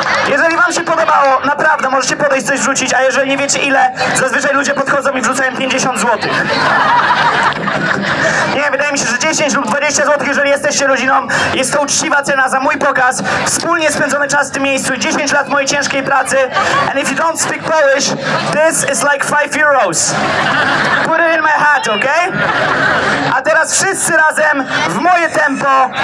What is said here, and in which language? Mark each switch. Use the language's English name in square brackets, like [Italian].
[Polish] Jeżeli wam się podobało, naprawdę możecie podejść coś wrzucić, a jeżeli nie wiecie ile, zazwyczaj ludzie podchodzą i wrzucają 50 zł. Nie, wydaje mi się, że 10 lub 20 zł, jeżeli jesteście rodziną, jest to uczciwa cena za mój pokaz, wspólnie spędzony czas w tym miejscu, 10 lat mojej ciężkiej pracy. [English] And if you don't speak Polish, this is like 5 euros. Put it in my hat, okay? [Polish] A teraz wszyscy razem w moje tempo.